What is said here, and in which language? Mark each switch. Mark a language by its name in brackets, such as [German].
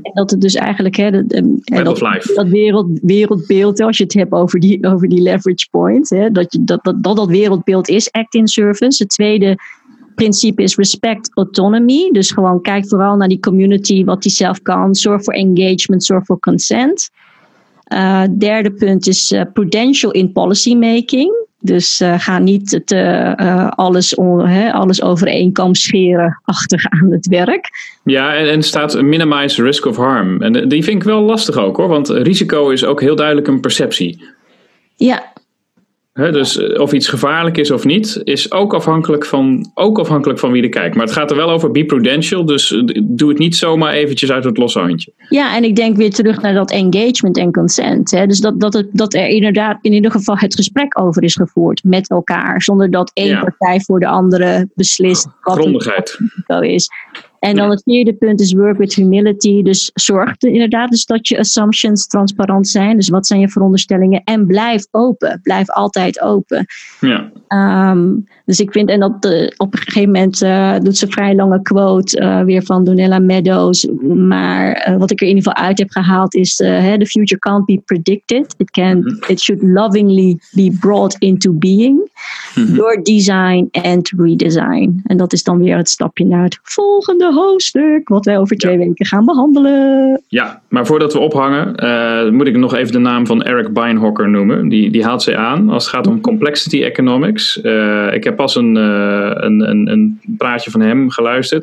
[Dutch] En dat het dus eigenlijk, hè, dat wereldbeeld, als je het hebt over die leverage point, hè, dat wereldbeeld is act in service. Het tweede principe is respect autonomy. Dus gewoon kijk vooral naar die community, wat die zelf kan. Zorg voor engagement, zorg voor consent. Derde punt is prudential in policymaking. Dus ga niet alles over één kam scheren achter aan het werk. Ja, en staat minimize risk of harm. En die vind ik wel lastig ook, hoor. Want risico is ook heel duidelijk een perceptie. Ja. He, dus of iets gevaarlijk is of niet, is ook afhankelijk van wie er kijkt. Maar het gaat er wel over be prudential, dus doe het niet zomaar eventjes uit het losse handje. Ja, en ik denk weer terug naar dat engagement en consent. Hè. Dus dat er inderdaad in ieder geval het gesprek over is gevoerd met elkaar, zonder dat één partij voor de andere beslist wat grondigheid wel is. En dan het vierde punt is work with humility. Dus zorg inderdaad dus dat je assumptions transparant zijn. Dus wat zijn je veronderstellingen? En blijf open. Blijf altijd open. Ja. Dus ik vind, en op een gegeven moment doet ze een vrij lange quote weer van Donella Meadows. Maar wat ik er in ieder geval uit heb gehaald is, [English] the future can't be predicted. It should lovingly be brought into being. [Dutch] Door [English] design and redesign. [Dutch] En dat is dan weer het stapje naar het volgende hoofdstuk, wat wij over twee weken gaan behandelen. Ja, maar voordat we ophangen, moet ik nog even de naam van Eric Beinhocker noemen. Die haalt zij aan als het gaat om complexity economics. Ik heb pas een praatje van hem geluisterd.